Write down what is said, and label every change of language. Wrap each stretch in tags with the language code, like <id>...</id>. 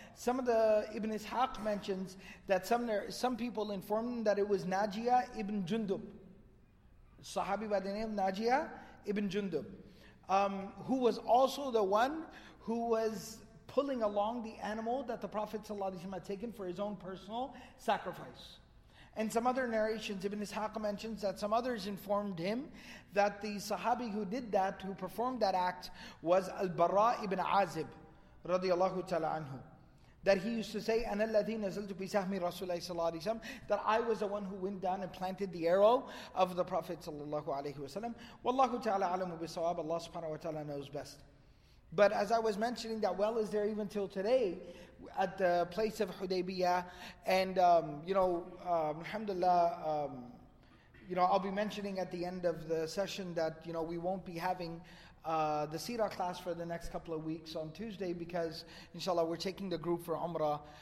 <en>Some of the Ibn Ishaq mentions that some people informed him that it was Najiyah ibn Jundub, Sahabi by the name of Najiyah ibn Jundub, who was also the one who was pulling along the animal that the Prophet ﷺ had taken for his own personal sacrifice. And some other narrations, Ibn Ishaq mentions that some others informed him that the Sahabi who did that, who performed that act, was Al-Bara ibn Azib, radiallahu ta'ala anhu. That he used to say,</en> <ar>أَنَا الَّذِي نَزَلْتُ بِسَحْمِ رَسُولَ اللَّهِ صَلَّى اللَّهِ عَلَيْهِ وَسَلَّمَ.</ar> <en>That I was the one who went down and planted the arrow of the Prophet sallallahu alayhi wa sallam. Wallahu ta'ala alamu bisawab. Allah subhanahu wa ta'ala knows best. But as I was mentioning, that well is there even till today at the place of Hudaybiyyah. And, alhamdulillah, I'll be mentioning at the end of the session that, you know, we won't be having the Sīrah class for the next couple of weeks on Tuesday because, inshallah, we're taking the group for Umrah.</en>